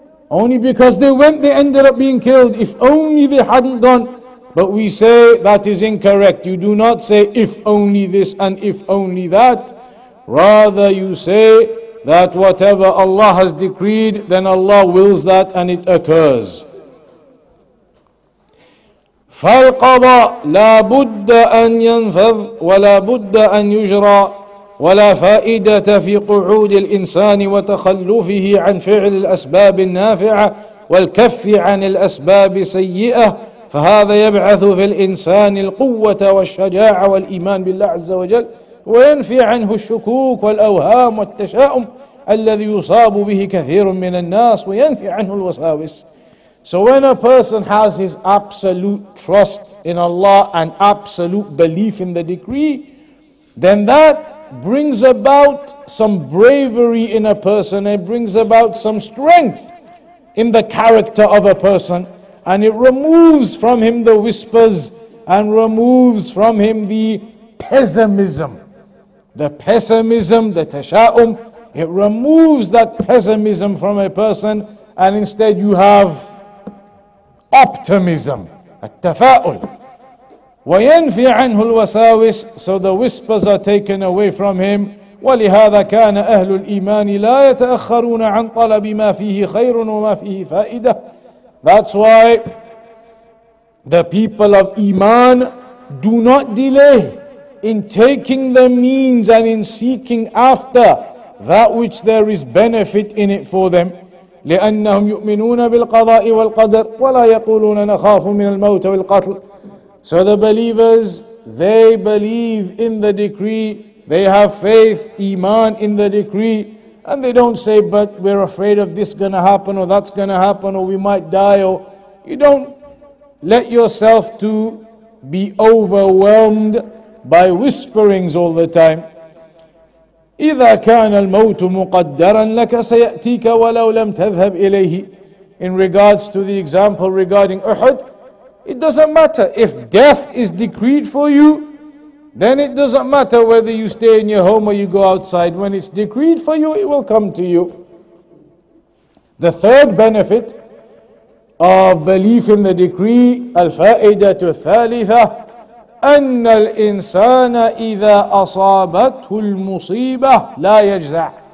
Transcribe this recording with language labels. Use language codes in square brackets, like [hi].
[en] Only because they went, they ended up being killed. If only they hadn't gone. But we say that is incorrect. You do not say, if only this and if only that. Rather, you say that whatever Allah has decreed, then Allah wills that and it occurs. [ar] فالقضاء لا بد أن ينفذ ولا بد أن يجرى ولا فائدة في قعود الإنسان وتخلفه عن فعل الأسباب النافعة والكف عن الأسباب السيئة فهذا يبعث في الإنسان القوة والشجاعة والإيمان بالله عز وجل وينفي عنه الشكوك والأوهام والتشاؤم الذي يصاب به كثير من الناس وينفي عنه الوساوس. [en] So when a person has his absolute trust in Allah and absolute belief in the decree, then that brings about some bravery in a person. It brings about some strength in the character of a person. And it removes from him the whispers and removes from him the pessimism. The pessimism, the tasha'um, it removes that pessimism from a person, and instead you have optimism, التفاؤل. [ar] وينفي عنه الوساوس, [en] so the whispers are taken away from him. [ar] ولهذا كان أهل الإيمان لا يتأخرون عن طلب ما فيه خير وما فيه فائدة. [en] That's why the people of Iman do not delay in taking the means and in seeking after that which there is benefit in it for them. [ar] لأنهم يؤمنون بالقضاء والقدر ولا يقولون نخاف من الموت والقتل. [en] So the believers, they believe in the decree, they have faith, iman in the decree, and they don't say, but we're afraid of this gonna happen or that's gonna happen or we might die. Or you don't let yourself to be overwhelmed by whisperings all the time. [ar] إذا كان الموت مقدرا لك سيأتيك ولو لم تذهب إليه. [en] In regards to the example regarding Uhud, it doesn't matter. If death is decreed for you, then it doesn't matter whether you stay in your home or you go outside. When it's decreed for you, it will come to you. The third benefit of belief in the decree, [ar] الفائدة الثالثة, أن الإنسان إذا أصابته المصيبة لا يجزع.